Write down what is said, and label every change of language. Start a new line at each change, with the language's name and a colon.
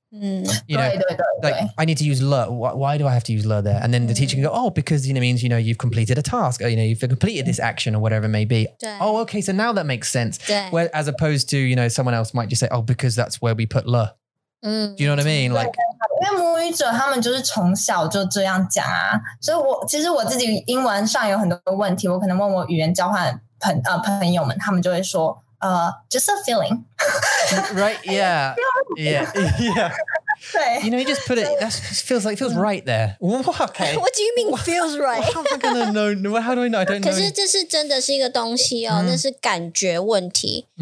English: You know,
Chinese: 对,
English: I need to use le. Why do I have to use le there? And then the teacher can go, oh, because, you know, means, you know, you've completed a task or, you know, you've completed this action or whatever it may be. Oh, okay. So now that makes sense. Where, as opposed to, you know, someone else might just say, oh, because that's where we put le. Do you know what I mean? Like,
Chinese: 因为母语者他们就是从小就这样讲啊，所以其实我自己英文上有很多问题，我可能问我语言交换朋友们，他们就会说
English: just a feeling. Right, yeah. Yeah. Yeah. You know, you just put it, that feels like, it feels right there. Okay. What do you mean feels right? How am I gonna know? How do I know? I don't know.
Chinese: 可是这是真的是一个东西哦，那是感觉问题。